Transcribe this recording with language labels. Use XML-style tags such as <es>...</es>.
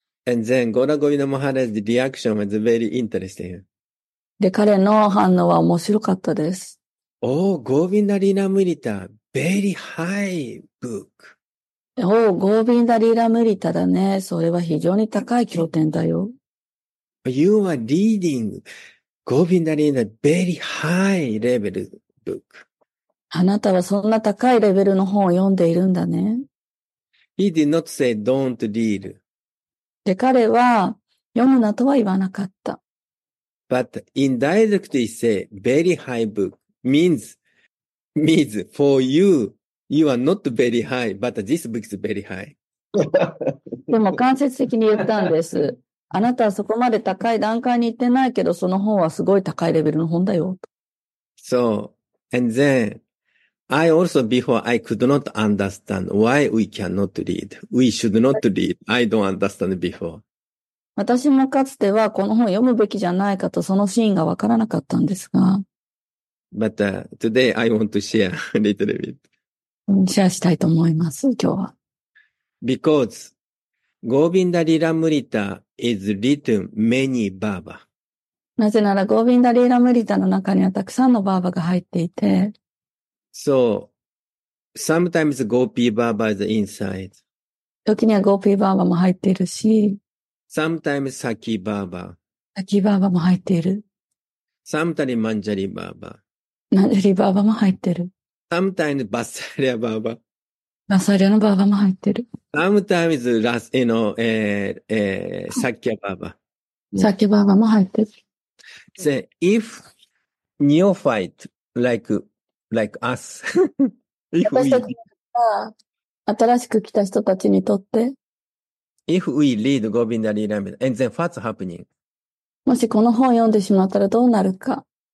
<en>And then, ゴーラ・ゴービンダ・マハラジ's reaction was very interesting.</en> <ja>で、彼の反応は面白かったです。</ja> <en>Oh, ゴービンダ・リーラ・ムリタ、very high book.</en> <ja>Oh, ゴービンダ・リーラ・ムリタだね。それは非常に高い経典だよ。</ja> <en>You are reading Govinda Lila, very high level book.</en> <ja>あなたはそんな高いレベルの本を読んでいるんだね。</ja> <en>He did not say don't read.</en> <ja>で、彼は読むなとは言わなかった。</ja> <en>But indirectly say very high book means for you, you are not very high, but this book is very high.</en> <ja>でも間接的に言ったんです。あなたはそこまで高い段階に行ってないけど、その本はすごい高いレベルの本だよ。</ja> <en>So, and then, I also before I could not understand why we cannot read. We should not read. I don't understand before.</en> <ja>私もかつてはこの本を読むべきじゃないかとそのシーンがわからなかったんですが。</ja> <en>But today I want to share a little bit.</en> <ja>シェアしたいと思います、今日は。</ja> <en>Because,Govinda Lilamrita is written many Baba.</en> <ja>なぜなら Govinda Lilamrita の中にはたくさんのバーバが入っていて。</ja> <en>So, sometimes Gopi Baba is inside.</en> <ja>時には Gopi Baba も入っているし。</ja> <en>Sometimes Saki Baba.</en> <ja>Saki Baba も入っている。</ja> <en>Sometimes Manjari Baba.</en> <ja>Manjari Baba も入っている。</ja> <en>Sometimes Vatsalya Baba.</en> <ja>バサリアのバーバも入ってる。</ja> <en>Sometimes, you know, サッキャバーバ。</en> <ja>サッキャバーバも入ってる。</ja> <en>So, if neophyte like us,</en> <ja>私たちが新しく来た人たちにとって、</ja> <en>if we read Govinda Lilamrita, and then what's happening?</en> <ja>もしこの本を読んでしまったらどうなるか。</ja>